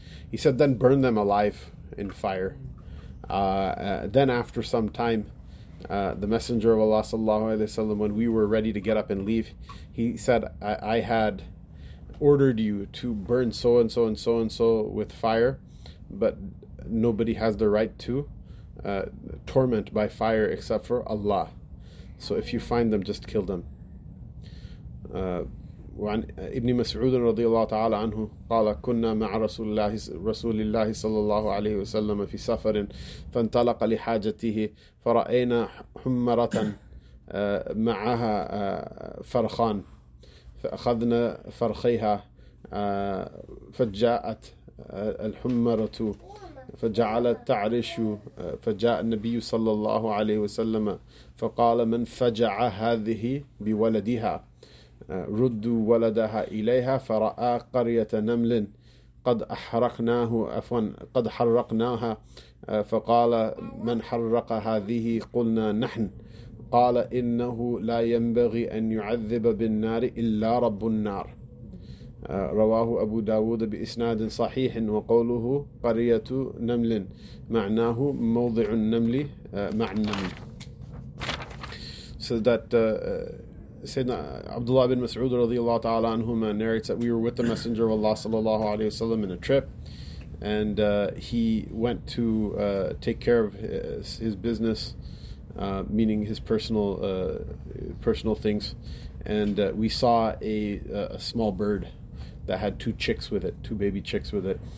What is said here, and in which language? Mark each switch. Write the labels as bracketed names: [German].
[English] He said, then burn them alive in fire. Then after some time, the Messenger of Allah sallallahu alayhi wa sallam, when we were ready to get up and leave, he said, I had ordered you to burn so and so and so and so with fire, but nobody has the right to torment by fire except for Allah. So if you find them, just kill them. [Arabic] وعن ابن مسعود رضي الله تعالى عنه قال كنا مع رسول الله صلى الله عليه وسلم في سفر فانطلق لحاجته فرأينا حمرة معها فرخان فأخذنا فرخيها فجاءت الحمرة فجعلت تعرش فجاء النبي صلى الله عليه وسلم فقال من فجع هذه بولدها ردوا ولدها إليها فرأى قرية نمل قد حرقناها فقال من حرق هذه قلنا نحن قال إنه لا ينبغي أن يعذب بالنار إلا رب النار رواه أبو داود بإسناد صحيح وقوله قرية نمل معناه موضع النمل مع النمل. [English] So that Sayyidina Abdullah ibn Mas'ud radiallahu ta'ala anhuma narrates that we were with the Messenger of Allah sallallahu alayhi wa sallam in a trip, and he went to take care of his business, meaning his personal things, and we saw a small bird that had two chicks with it, two baby chicks with it.